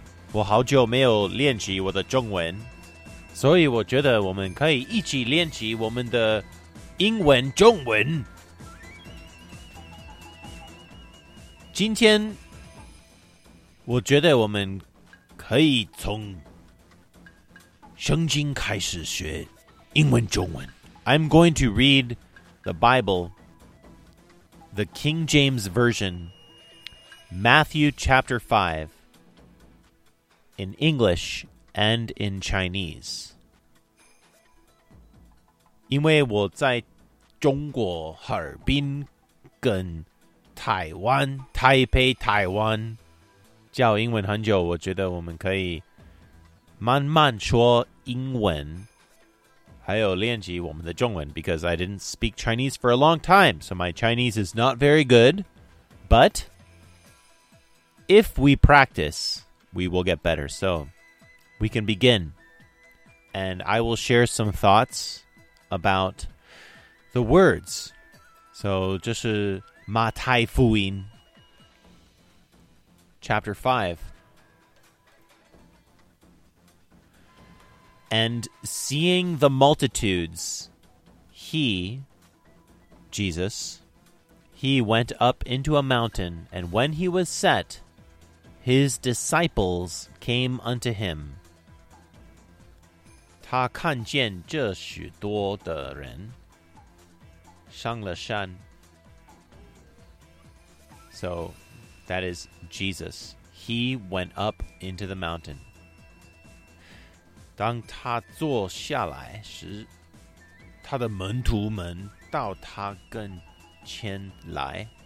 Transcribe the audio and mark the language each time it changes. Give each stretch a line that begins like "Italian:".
Chinese: 我好久没有练习我的中文，所以我觉得我们可以一起练习我们的英文中文。今天我觉得我们可以从圣经开始学英文中文。
English: I'm going to read the Bible, the King James Version, Matthew chapter 5, in English and in Chinese.
Chinese: 因为我在中国哈尔滨跟台湾台北台湾教英文很久，我觉得我们可以慢慢说英文，还有练习我们的中文。
English: Because I didn't speak Chinese for a long time, so my Chinese is not very good. But if we practice, we will get better. So we can begin, and I will share some thoughts about the words.
Chinese: So, 这是马太福音
English: chapter 5. And seeing the multitudes, he, Jesus, he went up into a mountain, and when he was set, his disciples came unto him.
Chinese: 他看见这许多的人上了山。
English: So that is Jesus. He went up into the mountain.
Chinese: 当他坐下来时，他的门徒们到他跟前来。